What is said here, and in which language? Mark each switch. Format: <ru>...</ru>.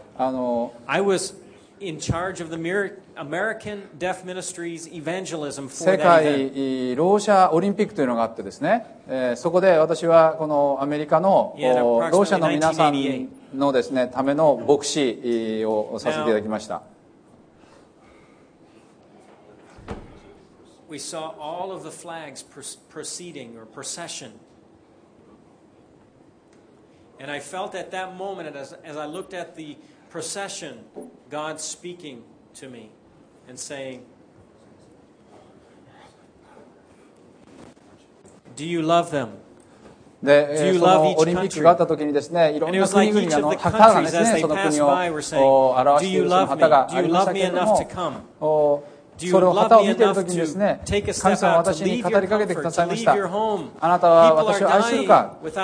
<en>I was in charge of the American Deaf Ministries Evangelism for that event.</en> <ja>世界ろう者オリンピックというのがあってですね。そこで私はこのアメリカのろう者の皆さんのですねための牧師をさせていただきました。</ja> <en>We saw all of the flags proceeding or procession, and I felt at that moment as I looked at the procession, God speaking to me and saying, "Do you love them?" Do you love each country? And it was like each of the countries as they passed by were saying, "Do you love me? Do you love me enough to come?"</en> <ja>それを旗を見ているときにですね、神様は私に語りかけてくださいました。あなたは私を愛するか。</ja>